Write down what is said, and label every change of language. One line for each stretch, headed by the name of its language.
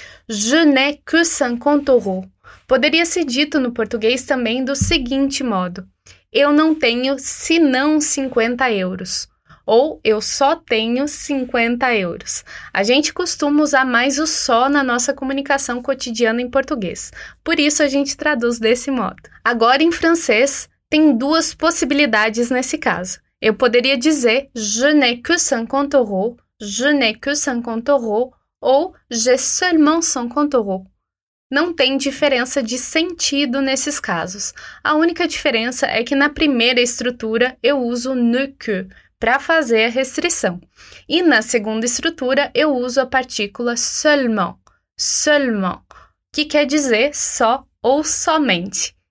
French: Je n'ai que 50 euros.
Portuguese: Poderia ser dito no português também do seguinte modo, eu não tenho senão 50 euros. Ou, eu só tenho 50 euros. A gente costuma usar mais o só na nossa comunicação cotidiana em português. Por isso, a gente traduz desse modo. Agora, em francês, tem duas possibilidades nesse caso. Eu poderia dizer,
French: je n'ai que 50 euros,
Portuguese: je n'ai que 50 euros, ou
French: j'ai seulement 50 euros.
Portuguese: Não tem diferença de sentido nesses casos. A única diferença é que na primeira estrutura, eu uso ne que, para fazer a restrição. E na segunda estrutura, eu uso a partícula seulement. Seulement, que quer dizer só ou somente.